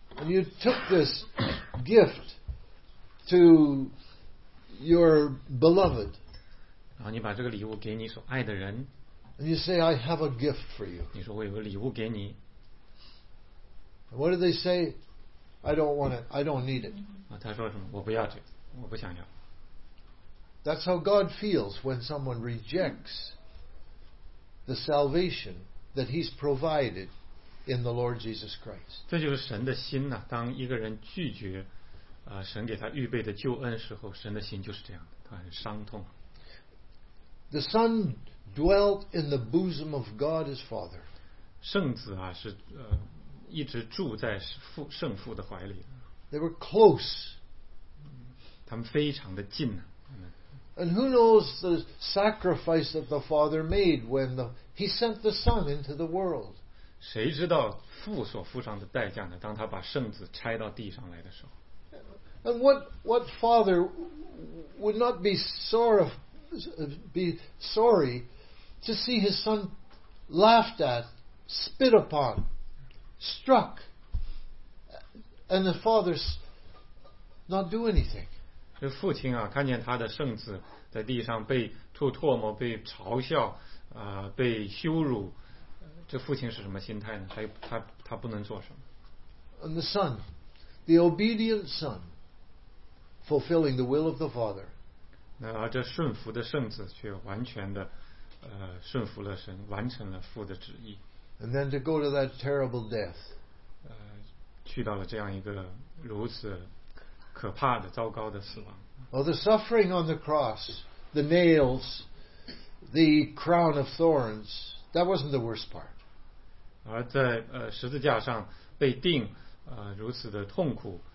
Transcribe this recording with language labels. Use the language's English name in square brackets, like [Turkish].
[English] And you took this gift to your beloved. [Chinese] 然后你把这个礼物给你所爱的人。 [English] And you say, I have a gift for you. [Chinese] 你说我有个礼物给你。 [English] What do they say? I don't want it. I don't need it. [Chinese] 他说什么？我不要这，我不想要。 [English] That's how God feels when someone rejects the salvation that He's provided in the Lord Jesus Christ. [Chinese] 这就是神的心呐。当一个人拒绝，神给他预备的救恩时候，神的心就是这样的，他很伤痛。 [English] The Son. Dwelt in the bosom of God His Father. [Chinese] 圣子啊是一直住在圣父的怀里。 [English] They were close. [Chinese] 他们非常的近。 [English] And who knows the sacrifice that the Father made when the He sent the Son into the world. [Chinese] 谁知道父所付上的代价呢？当他把圣子拆到地上来的时候。 [English] And what father would not be sorry to see his son laughed at, spit upon, struck, and the father not do anything? [Chinese] 这父亲啊，看见他的圣子在地上被吐唾沫、被嘲笑、被羞辱，这父亲是什么心态呢？他不能做什么 [English] ？And the son, the obedient son. Fulfilling the will of the Father. [Chinese] 那而这顺服的圣子却完全的，顺服了神，完成了父的旨意。 [English] And then to go to that terrible death. [Chinese] 去到了这样一个如此可怕的、糟糕的死亡。 [English] Oh, the suffering on the cross, the nails, the crown of thorns. That wasn't the worst part. [Chinese] 而在十字架上被钉，如此的痛苦。